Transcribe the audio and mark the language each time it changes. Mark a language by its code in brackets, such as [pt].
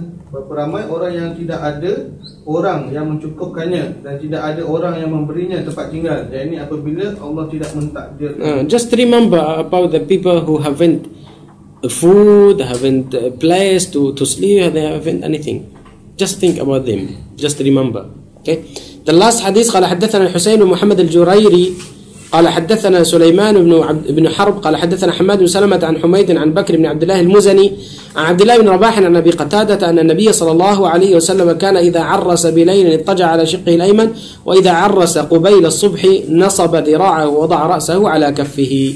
[ms] Berapa ramai orang yang tidak ada orang yang mencukupkannya dan tidak ada orang yang memberinya tempat tinggal. Dan ini apabila Allah tidak mentakdirkan. [en] Just remember about the people who haven't food, haven't place to sleep, they haven't anything. Just think about them. Just remember. Okay. The last hadith [ar] قال حدثنا الحسين ومحمد الجريري قال حدثنا سليمان بن حرب قال حدثنا حماد بن سلمة عن حميد عن بكر بن عبد الله المزني عن عبد الله بن رباح عن أبي قتادة أن النبي صلى الله عليه وسلم كان إذا عرس بليل اضطجع على شقه الأيمن، وإذا عرس قبيل الصبح نصب ذراعه ووضع رأسه على كفه.